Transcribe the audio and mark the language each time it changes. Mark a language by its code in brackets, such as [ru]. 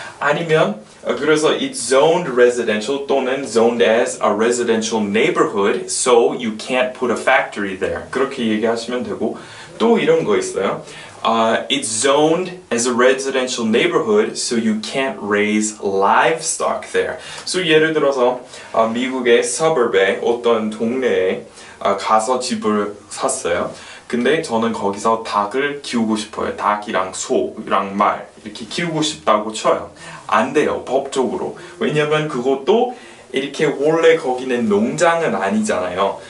[ko] 아니면 그래서 [en] it's zoned residential 또는 zoned as a residential neighborhood so you can't put a factory there. [ko] 그렇게 얘기하시면 되고 또 이런 거 있어요. [en] It's zoned as a residential neighborhood, so you can't raise livestock there. [ko] So 예를 들어서 미국의 서버베 어떤 동네에 가서 집을 샀어요. 근데 저는 거기서 닭을 키우고 싶어요. 닭이랑 소랑 말 이렇게 키우고 싶다고 쳐요. 안 돼요, 법적으로. 왜냐면 그것도 이렇게 원래 거기는 농장은 아니잖아요.